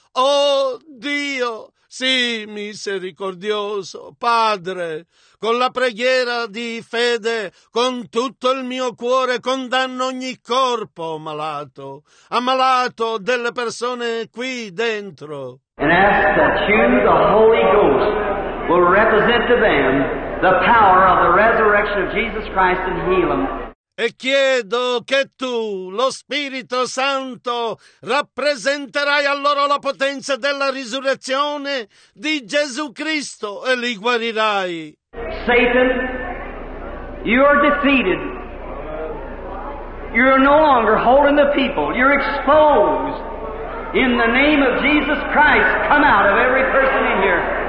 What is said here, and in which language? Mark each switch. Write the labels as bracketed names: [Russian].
[Italian] Oh Dio, sì misericordioso, Padre, con la preghiera di fede, con tutto il mio cuore, condanno ogni corpo malato, ammalato delle persone qui dentro. [English] And ask that you, the Holy Ghost, will represent to them the power of the resurrection of Jesus Christ and heal them. [Italian] E chiedo che tu, lo Spirito Santo, rappresenterai a loro la potenza della risurrezione di Gesù Cristo e li guarirai. [English] Satan, you are defeated. You are no longer holding the people. You're exposed. In the name of Jesus Christ, come out of every person in here.